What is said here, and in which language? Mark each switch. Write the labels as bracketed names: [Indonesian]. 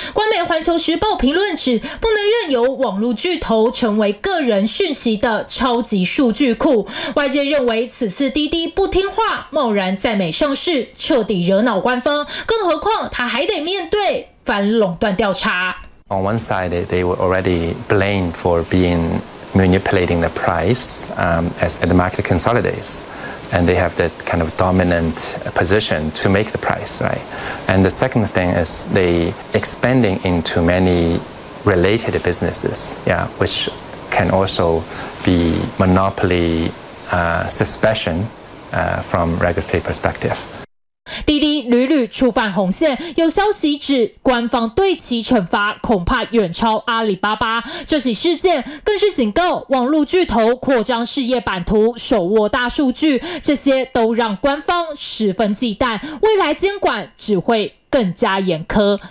[Chinese] 官媒《环球时报》评论指，不能任由网络巨头成为个人讯息的超级数据库。外界认为，此次滴滴不听话，贸然在美上市，彻底惹恼官方。更何况，他还得面对反垄断调查。 [English] On one side, they were already blamed for being manipulating the price as the market consolidates, and they have that kind of dominant position to make the price, right? And the second thing is they expanding into many related businesses, yeah, which can also be monopoly suspicion from regulatory perspective. [Chinese] 滴滴屡屡触犯红线，有消息指官方对其惩罚恐怕远超阿里巴巴。这起事件更是警告网络巨头扩张事业版图，手握大数据，这些都让官方十分忌惮，未来监管只会更加严苛。